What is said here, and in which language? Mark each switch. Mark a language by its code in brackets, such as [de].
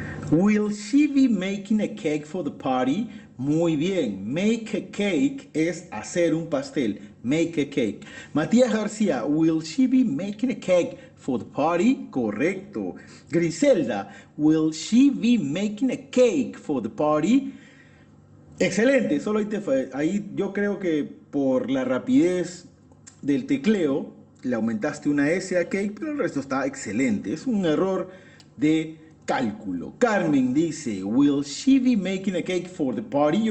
[en] Will she be making a cake for the party? [es] Muy bien, [en] make a cake [es] es hacer un pastel. [en] Make a cake. Matías García, will she be making a cake for the party? [es] Correcto. [en] Griselda, will she be making a cake for the party? [es] Excelente, solo ahí yo creo que por la rapidez del tecleo le aumentaste una S a cake, pero el resto está excelente. Es un error de cálculo. Carmen dice, [en] will she be making a cake for the party?